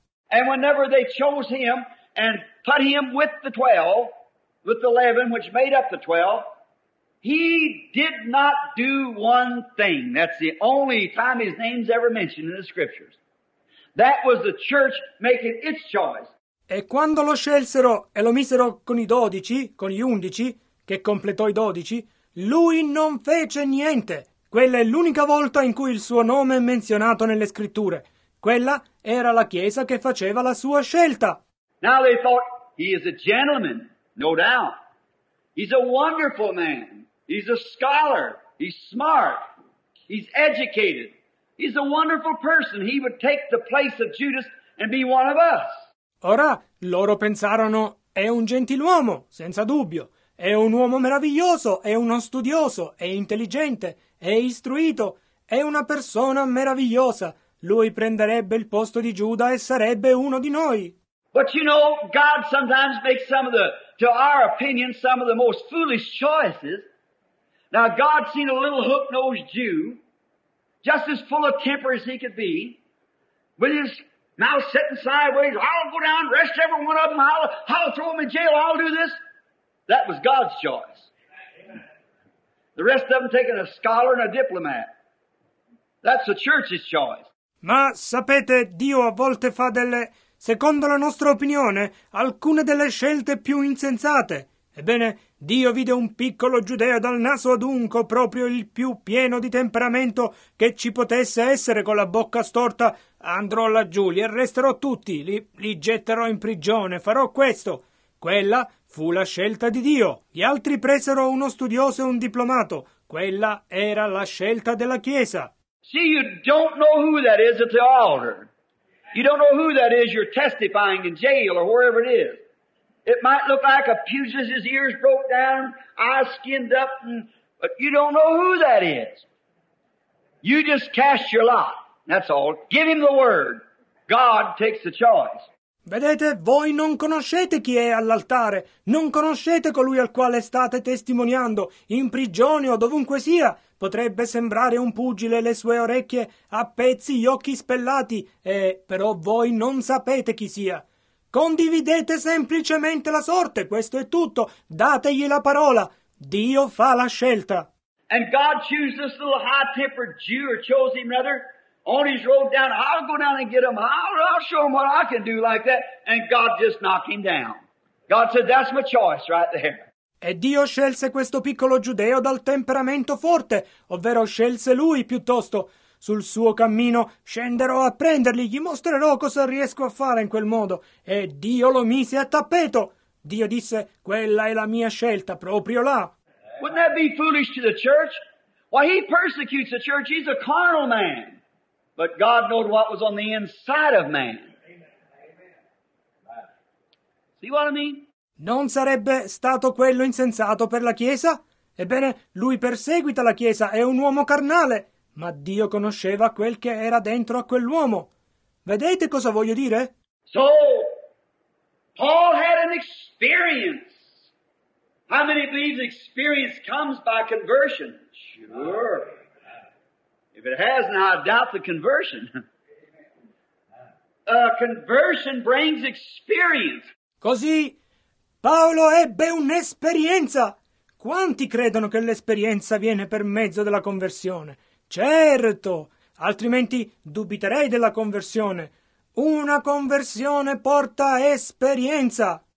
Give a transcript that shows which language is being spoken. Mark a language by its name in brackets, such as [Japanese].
[English] And whenever they chose him and put him with the 12, with the 11, which made up the 12, he did not do one thing. That's the only time his name's ever mentioned in the scriptures. That was the church making its choice. [Italian] E quando lo scelsero e lo misero con i 12, con gli 11, che completò i 12, lui non fece niente. Quella è l'unica volta in cui il suo nome è menzionato nelle scritture. Quella era la Chiesa che faceva la sua scelta. [English] Now they thought, he is a gentleman, no doubt. He's a wonderful man. He's a scholar. He's smart. He's educated. He's a wonderful person. He would take the place of Judas and be one of us. [Italian] Ora, loro pensarono, è un gentiluomo, senza dubbio. È un uomo meraviglioso, è uno studioso, è intelligente, è istruito, è una persona meravigliosa. Lui prenderebbe il posto di Giuda e sarebbe uno di noi. [English] But you know, God sometimes makes some of the, to our opinion, some of the most foolish choices. Now, God seen a little hook-nosed Jew, just as full of temper as he could be, with his now sitting sideways, I'll go down, arrest every one of them, I'll throw them in jail, I'll do this. That was God's choice. The rest of them taking a scholar and a diplomat. That's the church's choice. [Italian] Ma sapete, Dio a volte fa delle, secondo la nostra opinione, alcune delle scelte più insensate. Ebbene, Dio vide un piccolo giudeo dal naso ad unco, proprio il più pieno di temperamento che ci potesse essere, con la bocca storta. Andrò laggiù, li arresterò tutti, li getterò in prigione, farò questo. Quella fu la scelta di Dio. Gli altri presero uno studioso e un diplomato. Quella era la scelta della Chiesa. [English] See, you don't know who that is at the altar. You don't know who that is you're testifying in jail or wherever it is. It might look like a pugilist, his ears broke down, eyes skinned up, but you don't know who that is. You just cast your lot, that's all. Give him the word. God takes the choice. [Italian] Vedete, voi non conoscete chi è all'altare, non conoscete colui al quale state testimoniando, in prigione o dovunque sia. Potrebbe sembrare un pugile, le sue orecchie a pezzi, gli occhi spellati, però voi non sapete chi sia. Condividete semplicemente la sorte, questo è tutto. Dategli la parola. Dio fa la scelta. [English] And God chose this little high-tempered Jew, or chose him rather, on his road down. I'll go down and get him. I'll show him what I can do like that. And God just knocked him down. God said, that's my choice right there. [Italian] E Dio scelse questo piccolo giudeo dal temperamento forte, ovvero scelse lui piuttosto. Sul suo cammino scenderò a prendergli, gli mostrerò cosa riesco a fare in quel modo. E Dio lo mise a tappeto. Dio disse, quella è la mia scelta, proprio là. [English] Wouldn't that be foolish to the church? Why, he persecutes the church, he's a carnal man. But God knowed what was on the inside of man. See what I mean? [Italian] Non sarebbe stato quello insensato per la Chiesa? Ebbene, lui perseguita la Chiesa, è un uomo carnale. Ma Dio conosceva quel che era dentro a quell'uomo. Vedete cosa voglio dire? [English] So, Paul had an experience. How many believe experience comes by conversion? Sure. If it has, now I doubt the conversion. Conversion brings experience. [Italian] Così Paolo ebbe un'esperienza. Quanti credono che l'esperienza viene per mezzo della conversione? Certo, altrimenti dubiterei della conversione. Una conversione porta esperienza.